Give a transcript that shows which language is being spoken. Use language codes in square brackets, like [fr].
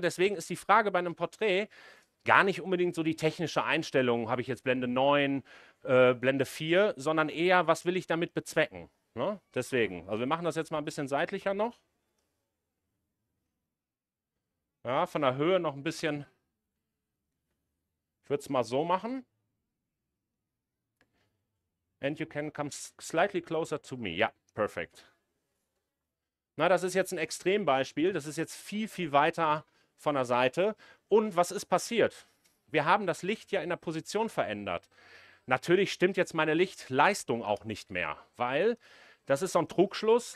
[de] Deswegen ist die Frage bei einem Porträt gar nicht unbedingt so die technische Einstellung, habe ich jetzt Blende 9, Blende 4, sondern eher, was will ich damit bezwecken? Ne? Deswegen, also wir machen das jetzt mal ein bisschen seitlicher noch. Ja, von der Höhe noch ein bisschen. Ich würde es mal so machen. [en] And you can come slightly closer to me. [de] Ja. Perfekt. Na, das ist jetzt ein Extrembeispiel. Das ist jetzt viel, viel weiter von der Seite. Und was ist passiert? Wir haben das Licht ja in der Position verändert. Natürlich stimmt jetzt meine Lichtleistung auch nicht mehr, weil das ist so ein Trugschluss.